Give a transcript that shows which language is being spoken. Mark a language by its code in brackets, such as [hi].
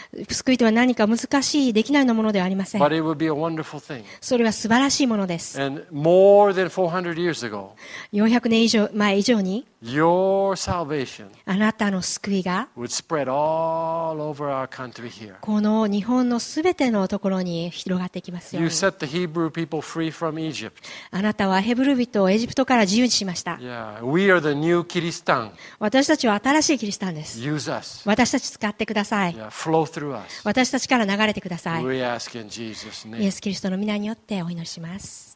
[ja] 救いとは何か難しい、できないようなものではありません。 [en] But it would be a wonderful thing. [ja] それは素晴らしいものです。 [en] And more than 400 years ago, [ja] 400年以上前以上に、 [en] your salvation, [ja] あなたの救いが、 [en] would spread all over our country here. [ja] この日本のすべてのところに広がっていきますように。 [en] You set the Hebrew people free from Egypt. [ja] あなたはヘブル人をエジプトから自由にしました。 [en] Yeah, we are the new Kiristan. [ja] 私たちは新しいキリシタンです。 [en] Use us. [ja] 私たち使ってください。 [en] Yeah, flow through us. [ja] 私たちから流れてください。 [en] We ask in Jesus' name. [ja] イエス・キリストの御名によってお祈りします。